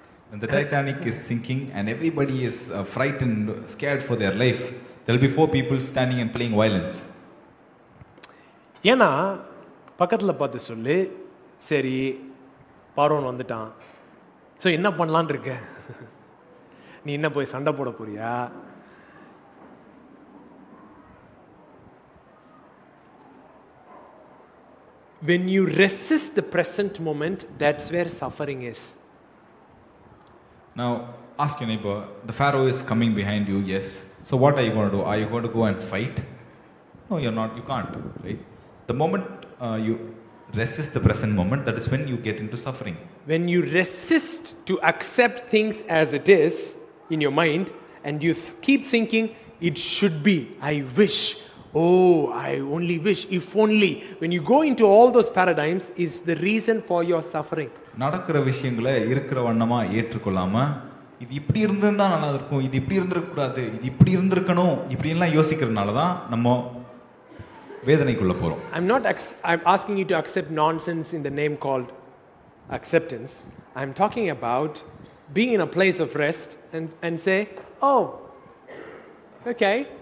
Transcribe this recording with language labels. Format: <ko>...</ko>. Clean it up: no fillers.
<en>When the Titanic is sinking and everybody is frightened, scared for their life, there will be four people standing and playing violins.</en> <ta>ஏனா பக்கத்துல பார்த்து சொல்லு, சரி பார்வன் வந்துட்டான், so என்ன பண்ணலாம் இருக்க, நீ என்ன போய் சண்டை போட போறியா?</ta> <en>When you resist the present moment, that's where suffering is. Now, ask your neighbor, the Pharaoh is coming behind you, yes. So what are you going to do? Are you going to go and fight? No, you're not. You can't, right? The moment you resist the present moment, that is when you get into suffering. When you resist to accept things as it is in your mind, and you keep thinking, it should be, I wish, oh, I only wish, if only. When you go into all those paradigms, is the reason for your suffering.</en> <ta>நடக்கிற விஷயங்களை இருக்கிற வண்ணமா ஏற்றுக்கொள்ளாம, இது இப்படி இருந்திருந்தா நல்லா இருக்கும், இது இப்படி இருந்திருக்க கூடாது, இது இப்படி இருந்திருக்கணும், இப்படின்லாம் யோசிக்கிறதுனாலதான் நம்ம வேதனைக்குள்ள போறோம்.</ta> <en>I'm not I'm asking you to accept nonsense in the name called acceptance. I'm talking about being in a place of rest and say, oh, okay.</en>